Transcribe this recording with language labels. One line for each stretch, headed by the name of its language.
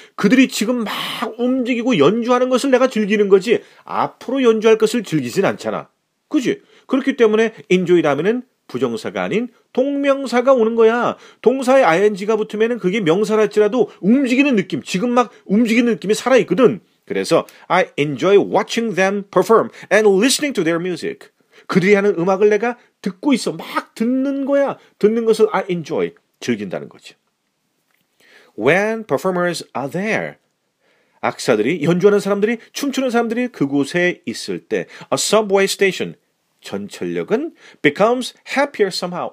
Korean: 그들이 지금 막 움직이고 연주하는 것을 내가 즐기는 거지 앞으로 연주할 것을 즐기진 않잖아. 그지? 그렇기 때문에 enjoy 라면은 부정사가 아닌 동명사가 오는 거야. 동사에 ing가 붙으면 그게 명사랄지라도 움직이는 느낌, 지금 막 움직이는 느낌이 살아있거든. 그래서
English: I enjoy watching them perform and listening to their music.
Korean: 그들이 하는 음악을 내가 듣고 있어. 막 듣는 거야. 듣는 것을 I enjoy, 즐긴다는 거지.
English: When performers are there,
Korean: 악사들이, 연주하는 사람들이, 춤추는 사람들이 그곳에 있을 때
English: a subway station,
Korean: 전철역은
English: becomes happier somehow.